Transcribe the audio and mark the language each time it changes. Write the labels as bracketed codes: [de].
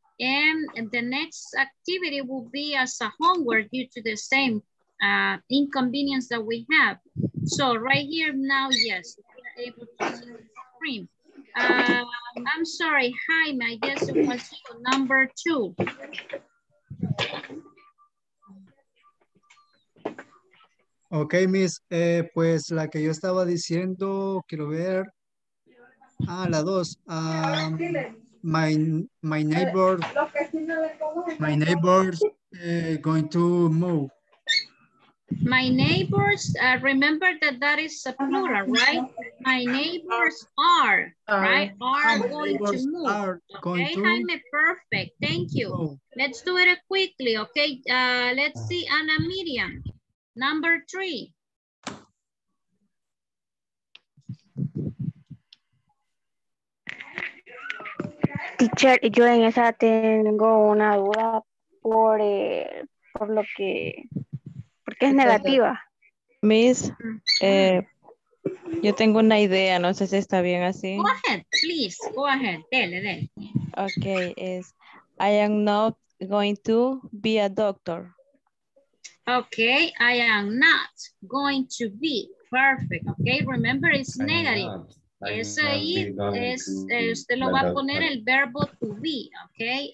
[en] And the next activity will be as a homework due to the same inconvenience that we have. So right here now, yes, we're able to see the screen. I'm sorry, Jaime, I guess it was you, number two. [es] Okay, Miss, pues la que yo estaba diciendo, quiero ver, la dos. [en] My neighbors going to move. My neighbors, remember that is a plural, right? My neighbors are, right? Are going to move. Jaime, perfect. Thank you. Let's do it quickly, okay? Let's see, Ana Miriam. Number three. [es] Teacher, yo en esa tengo una duda por lo que... Porque es negativa. Miss, yo tengo una idea, no sé si está bien así. [en] Go ahead, please, go ahead, [es] dele. [en] Okay, is I am not going to be a doctor. Okay, I am not going to be, perfect, okay? Remember, it's negative. [es] Es ahí, usted lo va a poner el verbo to be, okay?